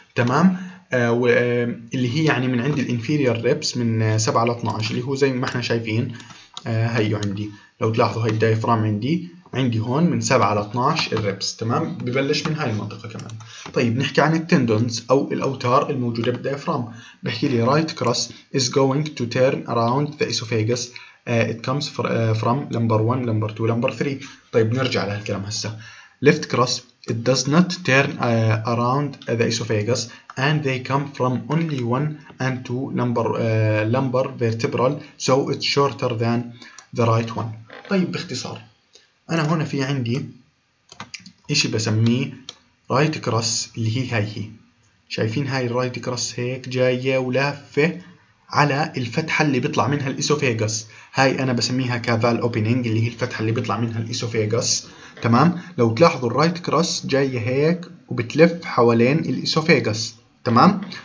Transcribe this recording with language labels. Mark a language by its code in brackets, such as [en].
[ar] تمام، واللي هي يعني من عند الانفيريور ريبس من 7 إلى 12 اللي هو زي ما احنا شايفين هيو عندي. لو تلاحظوا هاي الدايفرام عندي عندي هون من 7 ل 12 الريبس، تمام؟ ببلش من هاي المنطقة كمان. طيب نحكي عن التندونز أو الأوتار الموجودة بالديافرام. بحكي لي [en] right crust is going to turn around the esophagus. It comes from number 1, number 2, number 3. [ar] طيب نرجع لهالكلام هسه. [en] Left crust it does not turn around the esophagus and they come from only 1 and 2 lumbar vertebral. So it's shorter than the right one. [ar] طيب باختصار أنا هنا في عندي إشي بسميه رايت كراس اللي هي هاي هي. شايفين هاي الرايت كراس هيك جاية ولافة على الفتحة اللي بيطلع منها الإسوفيجس. هاي أنا بسميها كافال أوبينينج اللي هي الفتحة اللي بيطلع منها الإسوفيجس، تمام؟ لو تلاحظوا الرايت كراس جاية هيك وبتلف حوالين الإسوفيجس، تمام؟